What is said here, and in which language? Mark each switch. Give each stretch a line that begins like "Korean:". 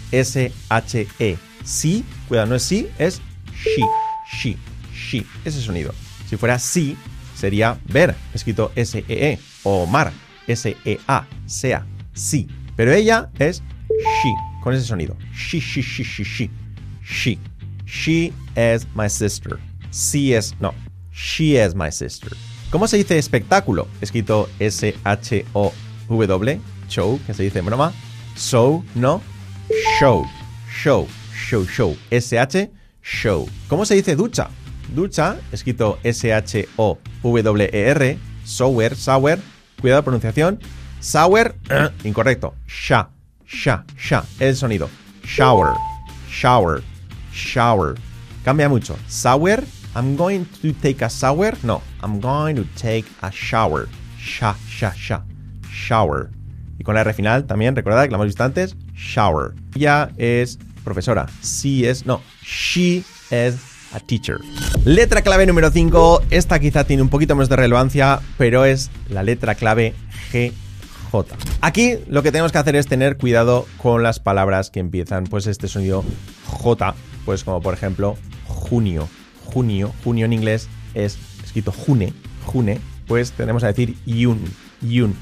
Spanish: S-H-E. Sí. Cuidado, no es sí, es she. She. She. Ese sonido. Si fuera sí, sería ver, escrito S-E-E, o mar, S-E-A, sea, sí. Pero ella es she, con ese sonido.
English: She, she, she, she, she, she. She is my sister. She is, no, she is my sister.
Spanish: ¿Cómo se dice espectáculo? Escrito S-H-O-W, show, que se dice en broma.
English: Show, no, show, show, show, show, S-H, show. ¿Cómo se dice ducha?
Spanish: Ducha, escrito S-H-O-W-E-R, shower, shower, cuidado pronunciación, shower, incorrecto, sha, sha, sha, el sonido, shower, shower, shower, cambia mucho, shower, I'm going to take a shower, no, I'm going to take a shower, sha, sha, sha, shower, y con la R final también, recordad que la hemos visto antes, shower.
English: Ella es profesora, she is, no, she is a teacher.
Spanish: Letra clave número 5. Esta quizá tiene un poquito menos de relevancia, pero es la letra clave GJ. Aquí lo que tenemos que hacer es tener cuidado con las palabras que empiezan pues este sonido J, pues como por ejemplo junio. Junio, junio en inglés es escrito june, june, pues tenemos a decir yun, yun.